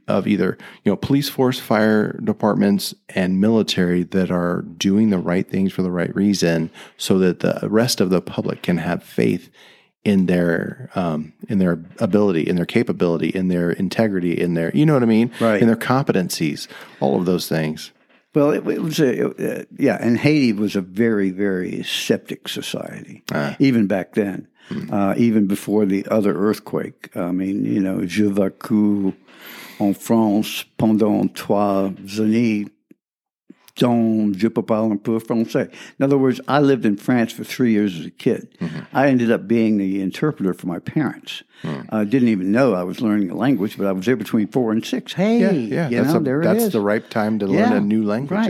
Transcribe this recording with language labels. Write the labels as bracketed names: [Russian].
[English] Of either, police force, fire departments, and military that are doing the right things for the right reason so that the rest of the public can have faith in their ability, in their capability, in their integrity, in their, Right. In their competencies, all of those things. Well, and Haiti was a very, very septic society, even back then, even before the other earthquake. I mean, [French] je vacu en France pendant trois années, dont je peux parler un peu français. [English] In other words, I lived in France for 3 years as a kid. Mm-hmm. I ended up being the interpreter for my parents. I didn't even know I was learning a language, but I was there between 4 and 6. Hey, that's the right time to learn a new language.